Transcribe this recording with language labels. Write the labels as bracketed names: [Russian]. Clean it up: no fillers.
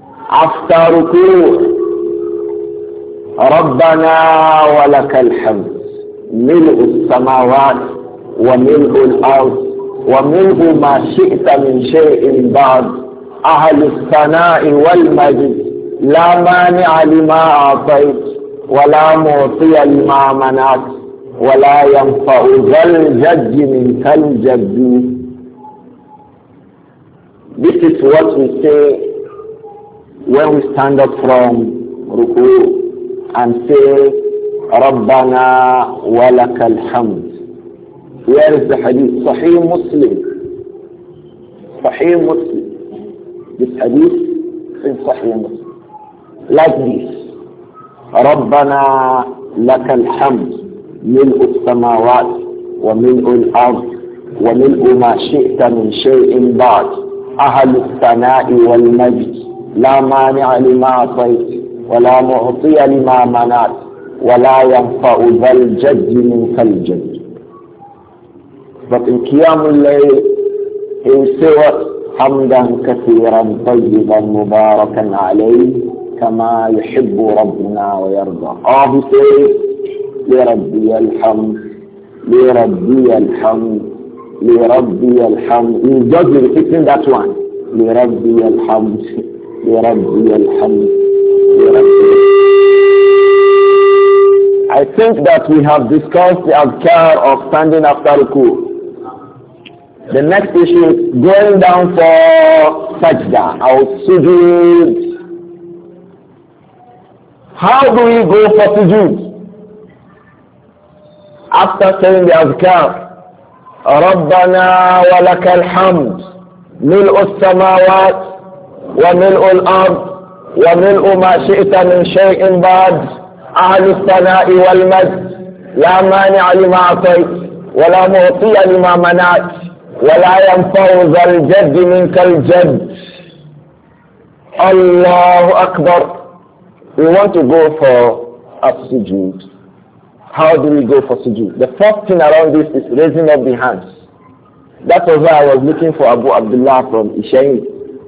[English] After [Arabic] ركوع, ربنا ولك الحمد, ملء السماوات وملء الأرض وملء ما شئت من شيء بعد أهل الثناء والمجد, لا مانع لما أعطيت ولا معطي لما منعت ولا ينفع ذا الجد منك الجد. [English] This is what we say when we stand up from ruku and say [Arabic] ربنا ولك الحمد. [English] Where is the hadith? Sahih Muslim. Sahih Muslim. This hadith in Sahih Muslim. Like this. [Arabic] ربنا لك الحمد, ملء السماوات وملء الأرض وملء ما شئت من شيء بعد أهل الثناء والمجد, لا مانع لما أعطيت ولا معطي لما منعت ولا ينفع ذا الجد منك الجد. [English] But in قيام الليل he will say what? [Arabic] حمدا كثيرا طيبا مباركا عليه كما يحب ربنا ويرضى. [English] Oh, he says [Arabic] لربي الحمد لربي الحمد لربي الحمد. [English] He does it, it's in that one. [Arabic] لربي الحمد لربي الحمد لربي الحمد. [English] I think that we have discussed the adhkar of standing after ruku. The next issue is going down for sajda or sujood. How do we go for sujood? After saying the adhkar, [Arabic] رَبَّنَا وَلَكَ الْحَمْدُ مِلْءُ السَّمَاوَاتِ وَمِلْءُ الْأَرْضِ وَمِلْءُ مَا شِئْتَ مِنْ شَيْءٍ بَعْدِ أهل الثناء والمجد, لا مانع لما أعطيت ولا معطي لما منعت ولا ينفع ذا الجد منك الجد. الله أكبر. [English] We want to go for a sujood. How do we go for sujood? The first thing around this is raising up the hands. That was why I was looking for Abu Abdullah from Isha'i.